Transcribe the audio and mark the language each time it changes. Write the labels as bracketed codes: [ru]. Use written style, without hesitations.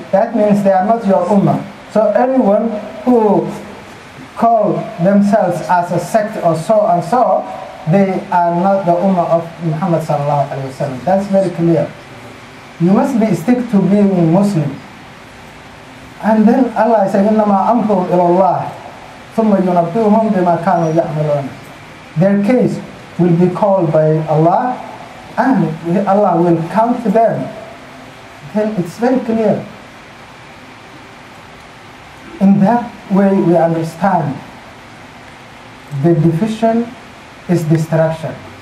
[en] That means they are not your ummah. So anyone who call themselves as a sect or so and so, they are not the ummah of Muhammad sallallahu alayhi wa sallam. That's very clear. You must be stick to being Muslim. [ar] And then Allah is saying, إِنَّمَا أَمْرُهُ إِلَى اللَّهِ ثُمَّ يُنَبِّئُهُمْ بِمَا كَانُوا يَعْمَلُونَ. [en] Their case will be called by Allah, and Allah will come to them. Then it's very clear. In that way we understand the division is destruction.